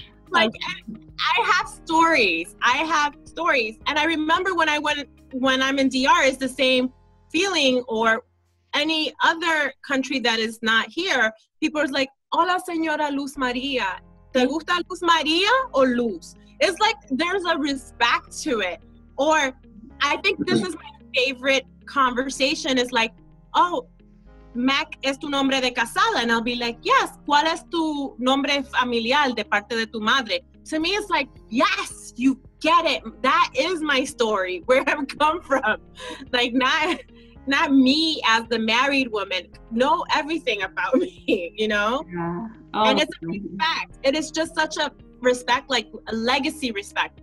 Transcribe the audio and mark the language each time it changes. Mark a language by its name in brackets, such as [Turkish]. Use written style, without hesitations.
[English] Like, I have stories. And I remember when I'm in DR, it's the same feeling, or any other country that is not here. People are like, [Spanish] hola, señora Luz Maria. ¿Te gusta Luz Maria o Luz? [English] It's like, there's a respect to it. Or I think this is my favorite conversation. It's like, oh, Mac, [Spanish] ¿es tu nombre de casada? [English] And I'll be like, yes. [Spanish] ¿Cuál es tu nombre familiar de parte de tu madre? [English] To me, it's like, yes, you get it. That is my story, where I've come from. Like, not not me as the married woman know everything about me, you know? Yeah. Oh, and it's a respect. It is just such a respect, like a legacy respect.